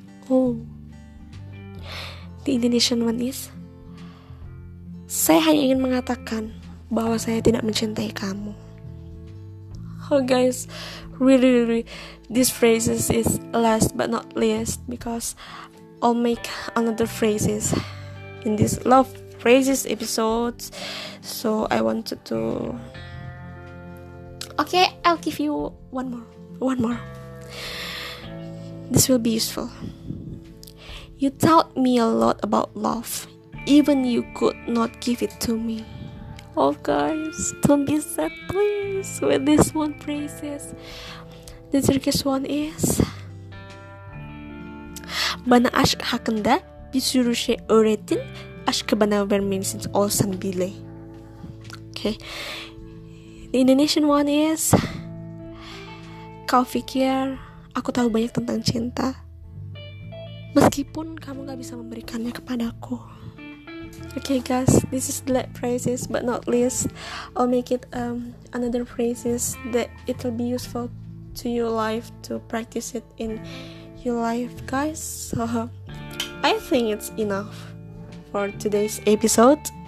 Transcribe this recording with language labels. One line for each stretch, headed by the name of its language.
English: Oh, the Indonesian one is
Indonesian: saya hanya ingin mengatakan bahwa saya tidak mencintai kamu.
English: Oh, guys, really, these phrases is last but not least, because I'll make another phrases in this love phrases episode. So I wanted to. Okay, I'll give you one more. This will be useful. You taught me a lot about love, even you could not give it to me. Oh, guys, don't be sad, please, with this one phrases. The Turkish one is
Turkish: bana aşk hakkında bir sürü şey öğrettin, aşkı bana vermemişsin olsan bile. Okay.
English: The Indonesian one is
Indonesian: kau pikir aku tahu banyak tentang cinta, meskipun kamu gak bisa memberikannya kepadaku.
English: Okay, guys, this is the last phrases, but not least, I'll make it another phrases that it'll be useful to your life, to practice it in your life, guys. So I think it's enough for today's episode.